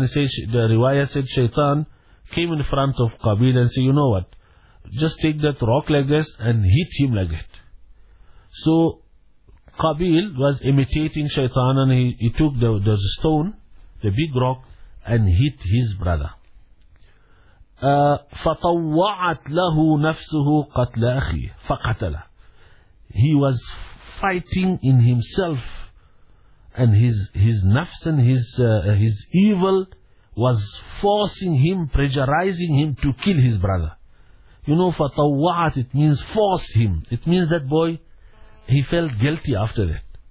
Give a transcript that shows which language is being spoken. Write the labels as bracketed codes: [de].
[en] The riwayah said Shaitan came in front of Qabil and said, you know what? Just take that rock like this and hit him like that. So Qabil was imitating Shaitan and he took the stone, the big rock, and hit his brother. [ar] فطوعت له نفسه قتل أخي فقتله. [en] He was fighting in himself, and his nafs and his evil was forcing him, pressurizing him to kill his brother. You know, fatawwa'at, it means force him. It means that boy, he felt guilty after that.